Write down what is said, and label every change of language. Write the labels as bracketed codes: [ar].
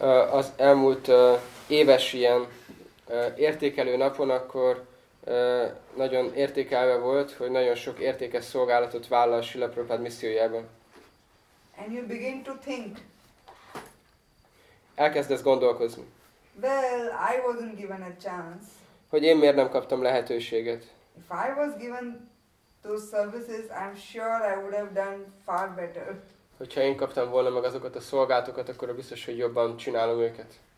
[hu] Az elmúlt éves ilyen értékelő napon akkor nagyon értékelve volt, hogy nagyon sok értékes szolgálatot vállal Srila Prabhupada missziójában. [en] And you begin to think. [hu] Elkezdesz gondolkozni. [en] Well, I wasn't given a chance. [hu] Hogy én miért nem kaptam lehetőséget. [en] If I was given those services, I'm sure I would have done far better. [hu] Hogyha én kaptam volna meg azokat a szolgálatokat, akkor biztos, hogy jobban csinálom őket.